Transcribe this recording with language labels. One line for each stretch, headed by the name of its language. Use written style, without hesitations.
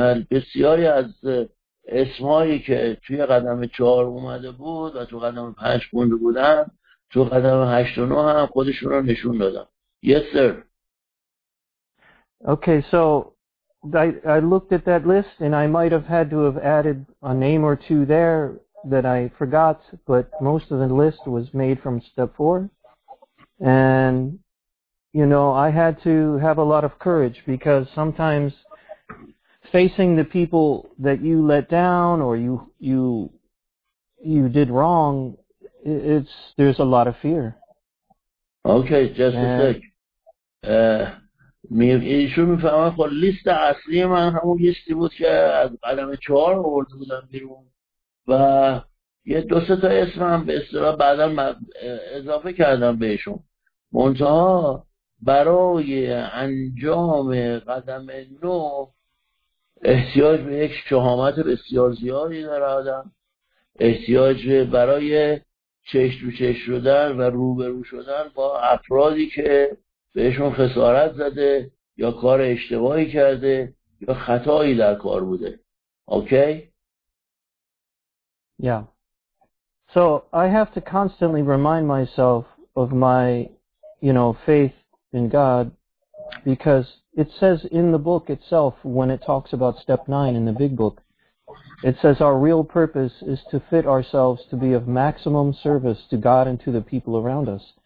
Persian: بسیاری از اسمایی که توی قدم 4 اومده بود و تو قدم 5 خونده بودن، تو قدم 8 و 9 هم خودشون رو نشون دادن.
English: Yes sir. Okay, so I looked at that list and I might have had to have added a name or two there that I forgot, but most of the list was made from step 4. And, you know, I had to have a lot of courage because sometimes facing the people that you let down or you did wrong, there's a lot of fear. Okay, just and a sec.
Persian: ایشون میفهمن خب لیست اصلی من همون لیستی بود که از قلم 4 آورده بودم بیرون و یه دو سه تا اسمم به اصطلاح بعدا اضافه کردم بهشون، منتها برای انجام قدم 9 احتیاج به یک شهامت بسیار زیادی داره آدم، احتیاج به برای چش تو چش شدن و روبرو شدن با افرادی که بهشون خسارت زده یا کار اشتباهی کرده یا خطایی در کار بوده.
English: Okay? Yeah. So I have to constantly remind myself of my, you know, faith in God, because it says in the book itself, when it talks about step 9 in the big book, it says our real purpose is to fit ourselves to be of maximum service to God and to the people around us.